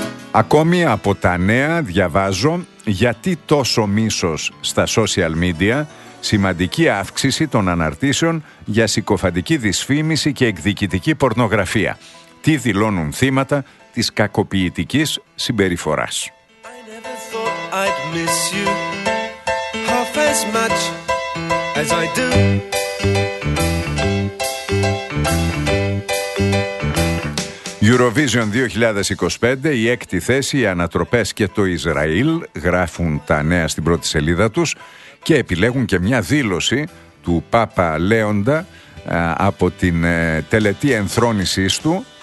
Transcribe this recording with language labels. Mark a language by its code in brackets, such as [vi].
[el] Ακόμη από τα νέα διαβάζω «Γιατί τόσο μίσος στα social media, σημαντική αύξηση των αναρτήσεων για συκοφαντική δυσφήμιση και εκδικητική πορνογραφία. Τι δηλώνουν θύματα της κακοποιητικής συμπεριφοράς». [en] I'd miss you half as much as I do. [el] Eurovision 2025, η έκτη θέση, οι ανατροπές και το Ισραήλ, γράφουν τα νέα στην πρώτη σελίδα τους και επιλέγουν και μια δήλωση του Πάπα Λέοντα από την τελετή ενθρόνησής του.